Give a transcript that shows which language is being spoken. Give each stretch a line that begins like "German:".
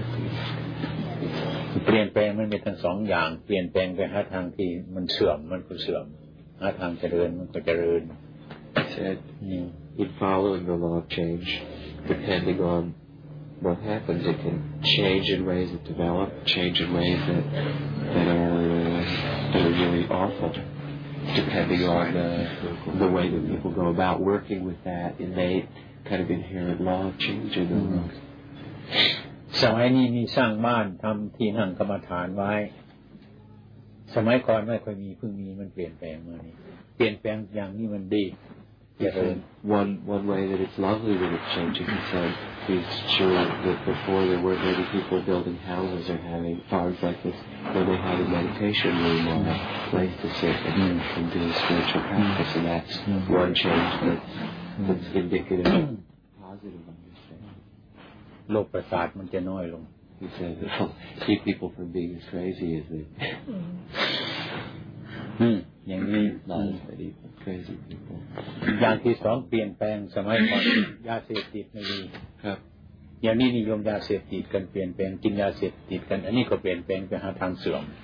English: things
Thai: เปลี่ยนแปลงมันมีทั้งสองอย่างเปลี่ยนแปลงไปหาทางที่มันเสื่อมมันก็เสื่อมหาทางเจริญมันก็เจริญ
English: said in following the law of change depending on what happens, it can change in ways that develop, change in ways that are really awful, depending on the way that people go about working with that innate kind of inherent law of change in the world.
Thai: สมัยนี้มีสร้างบ้านทำที่นั่งกรรมฐานไว้สมัยก่อนไม่ค่อยมีเพิ่งมีมันเปลี่ยนแปลงมานี่เปลี่ยนแปลงอย่างนี้มันดี
English: One way that it's lovely that it's changing, he said, he's sure that before there weren't many people building houses or having farms like this, but they had a meditation room or a place to sit and do a spiritual practice, and that's one change that's indicative of positive understanding. He said that it'll keep people from being as crazy as they
Thai: อย่างนี้ นะครับ
English: crazy people
Thai: อย่างที่สองเปลี่ยนแปลงสมัยก่อนยาเสพติดไม่มี ครับ อย่างนี้นิยมยาเสพติดกันเปลี่ยนแปลงกินยาเสพติดกันอันนี้ก็เปลี่ยนแปลงไปหาทางเสื่อม